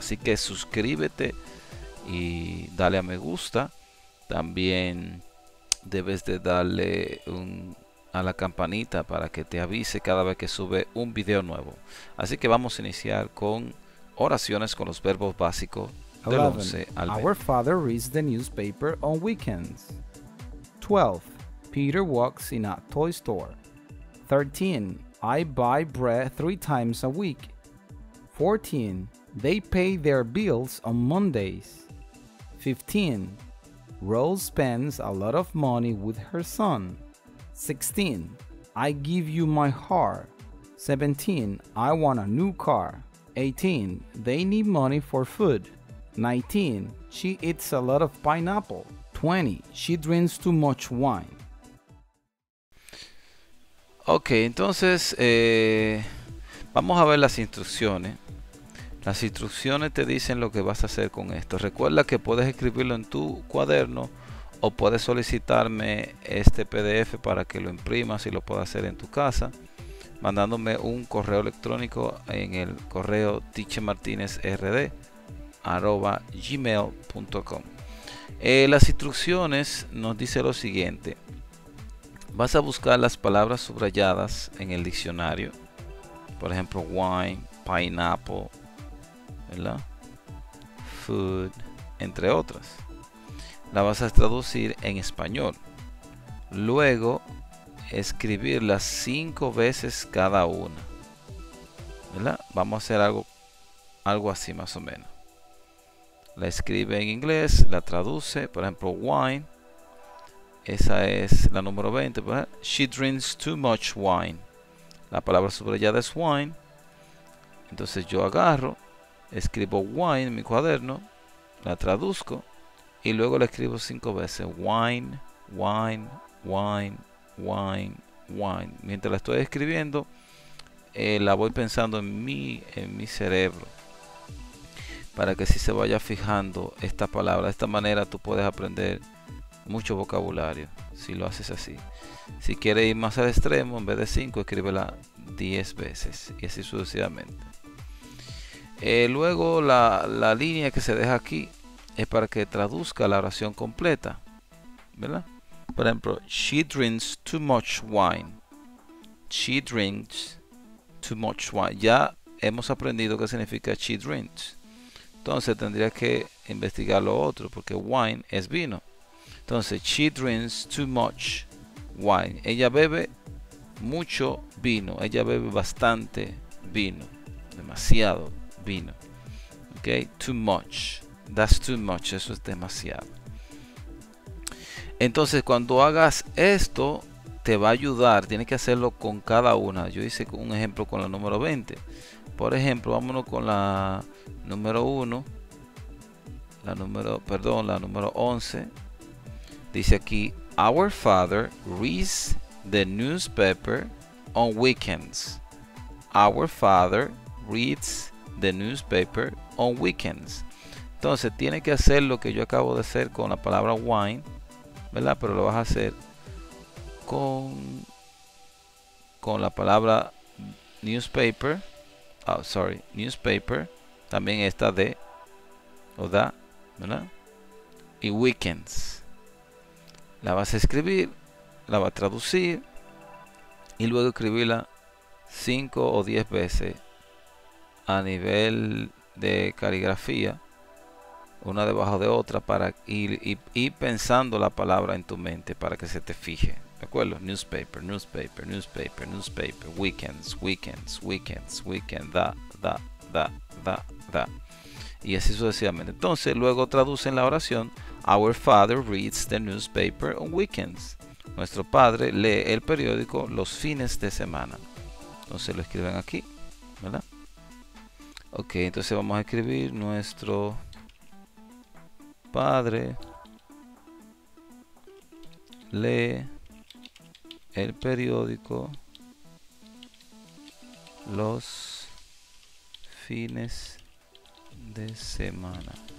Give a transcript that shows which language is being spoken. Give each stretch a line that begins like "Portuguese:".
Spanish: Así que suscríbete y dale a me gusta. También debes de darle a la campanita para que te avise cada vez que sube un video nuevo. Así que vamos a iniciar con oraciones con los verbos básicos del 11. 11 al
English: Our
Spanish: 20.
English: father reads the newspaper on weekends. 12. Peter walks in a toy store. 13. I buy bread 3 times a week. 14. They pay their bills on Mondays. 15. Rose spends a lot of money with her son. 16. I give you my heart. 17. I want a new car. 18. They need money for food. 19. She eats a lot of pineapple. 20. She drinks too much wine.
Spanish: Ok, entonces vamos a ver las instrucciones. Las instrucciones te dicen lo que vas a hacer con esto. Recuerda que puedes escribirlo en tu cuaderno o puedes solicitarme este PDF para que lo imprimas y lo puedas hacer en tu casa, mandándome un correo electrónico en el correo teachermartinezrd. @gmail.com. Las instrucciones nos dice lo siguiente: vas a buscar las palabras subrayadas en el diccionario, por ejemplo, wine, pineapple, ¿verdad? Food, entre otras. La vas a traducir en español. Luego, escribirlas 5 veces cada una, ¿verdad? Vamos a hacer algo así más o menos. La escribe en inglés, la traduce, por ejemplo, wine. Esa es la número 20, ¿verdad?
English: She drinks too much wine.
Spanish: La palabra subrayada es wine. Entonces yo agarro, escribo wine en mi cuaderno, la traduzco y luego la escribo 5 veces.
English: Wine, wine, wine, wine, wine.
Spanish: Mientras la estoy escribiendo, la voy pensando en mi cerebro, para que si se vaya fijando esta palabra. De esta manera tú puedes aprender mucho vocabulario si lo haces así. Si quieres ir más al extremo, en vez de 5, escríbela 10 veces y así sucesivamente. Luego la línea que se deja aquí es para que traduzca la oración completa, ¿verdad?
English: Por ejemplo, she drinks too much wine. She drinks too much wine.
Spanish: Ya hemos aprendido qué significa she drinks. Entonces tendría que investigar lo otro, porque wine es vino.
English: Entonces, she drinks too much wine.
Spanish: Ella bebe mucho vino. Ella bebe bastante vino. Demasiado vino. Ok,
English: too much. That's too much.
Spanish: Eso es demasiado. Entonces, cuando hagas esto, te va a ayudar. Tienes que hacerlo con cada una. Yo hice un ejemplo con la número 20. Por ejemplo, vámonos con la número 1. Perdón, la número 11. Dice aquí:
English: Our father reads the newspaper on weekends. Our father reads the newspaper on weekends.
Spanish: Entonces, tiene que hacer lo que yo acabo de hacer con la palabra wine, ¿verdad? Pero lo vas a hacer con la palabra newspaper.
English: Oh, sorry, newspaper.
Spanish: También está de o da, ¿verdad? Y weekends. La vas a escribir, la vas a traducir y luego escribirla 5 o 10 veces a nivel de caligrafía, una debajo de otra, para ir pensando la palabra en tu mente para que se te fije. ¿De acuerdo?
English: Newspaper, newspaper, newspaper, newspaper, weekends, weekends, weekends, weekend,
Spanish: da, da, da, da. Y así sucesivamente. Entonces, luego traducen la oración.
English: Our father reads the newspaper on weekends.
Spanish: Nuestro padre lee el periódico los fines de semana. Entonces lo escriben aquí, ¿verdad? Ok, entonces vamos a escribir nuestro padre lee el periódico los fines de semana.